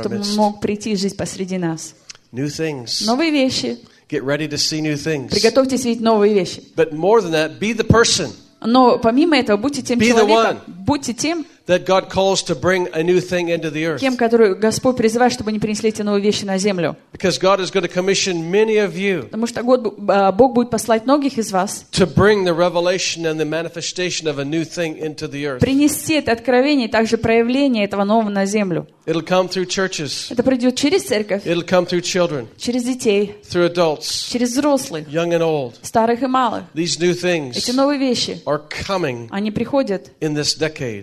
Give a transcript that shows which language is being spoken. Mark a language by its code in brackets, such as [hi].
[ru] Чтобы он мог прийти и жить посреди нас. [en] New things. [ru] Новые вещи. [en] Get ready to see new things. [ru] Приготовьтесь видеть новые вещи. [en] But more than that, be the person. [ru] Но помимо этого, будьте тем [en] be [ru] человеком. Будьте тем, [en] that God calls to bring a new thing into the earth. [ru] Тем, которого Господь призывает, чтобы они принесли эти новые вещи на землю. [en] Because God is going to commission many of you. [ru] Потому что Бог будет посылать многих из вас. [en] To bring the revelation and the manifestation of a new thing into the earth. [ru] Принести это откровение и также проявление этого нового на землю. [en] It'll come through churches. [ru] Это придет через церковь. [en] It'll come through children. [ru] Через детей. [en] Through adults. [ru] Через взрослых. [en] Young and old. [ru] Старых и малых. [en] These new things. [ru] Эти новые вещи. [en] Are coming. [ru] Они приходят. [en] In this decade.